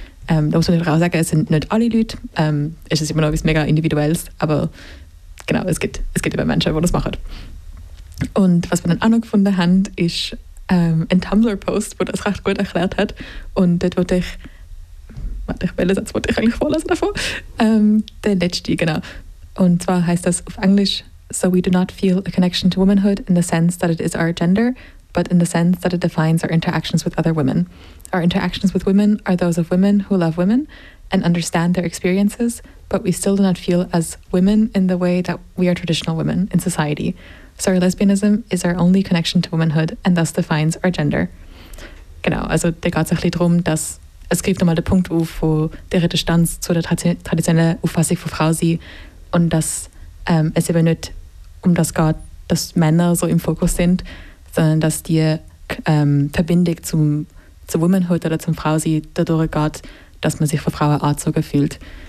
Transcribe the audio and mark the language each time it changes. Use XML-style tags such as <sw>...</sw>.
<de>Da muss man natürlich auch sagen, es sind nicht alle Leute. Es ist immer noch etwas mega Individuelles, aber genau, es gibt eben Menschen, die das machen. Und was wir dann auch noch gefunden haben, ist ein Tumblr-Post, der das recht gut erklärt hat. Und dort wollte ich, warte, welchen Satz wollte ich eigentlich vorlesen davon? Der letzte, genau. Und zwar heisst das auf Englisch,</de> <en>So we do not feel a connection to womanhood in the sense that it is our gender, but in the sense that it defines our interactions with other women. Our interactions with women are those of women who love women and understand their experiences, but we still do not feel as women in the way that we are traditional women in society. So our lesbianism is our only connection to womanhood and thus defines our gender.</en> <de>Genau, also da geht es ein bisschen darum, dass es gibt nochmal den Punkt auf, wo der Distanz zu der traditionellen Auffassung von Frau sie und dass es eben nicht um das geht, dass Männer so im Fokus sind, sondern dass die Verbindung zu womanhood oder zum Frau sie dadurch geht, dass man sich von Frauen angezogen fühlt.</de>